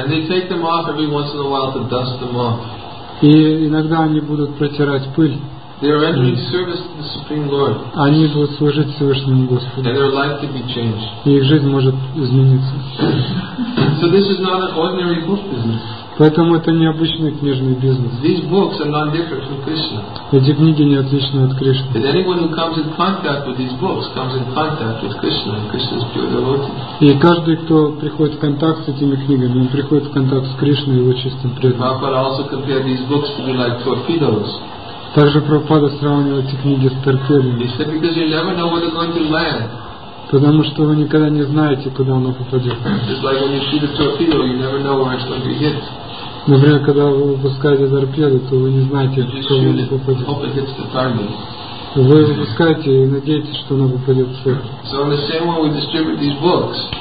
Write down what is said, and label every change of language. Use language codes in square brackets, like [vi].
[ru] И иногда они будут протирать пыль. [en] They are entering service to the Supreme Lord. [ru] Они будут служить Всевышнему Господу. [en] And their life can be changed. [ru] И их жизнь может измениться. [en] So this is not an ordinary book business. [ru] Поэтому это не обычный книжный бизнес. [en] These books are not different from Krishna. [ru] Эти книги не отличны от Кришны. [en] And anyone who comes in contact with these books comes in contact with Krishna, Krishna's pure devotee. [ru] И каждый, кто приходит в контакт с этими книгами, он приходит в контакт с Кришной и его чистым преданным. [en] Prabhupada also compared these books to be like torpedoes. [ru] Также Прабхупада сравнивал эти книги с торпедами. [en] He said, because you never know where they're going to land. [ru] Потому что вы никогда не знаете, куда оно попадет. [en] It's like when you shoot a torpedo, you never know where it's going to hit. [ru] Например, когда вы выпускаете торпеду, то вы не знаете, куда оно попадет. [en] Hope it hits the target. [ru] Вы выпускаете и надеетесь, что оно попадет в цель. [en] So in the same way we distribute these books.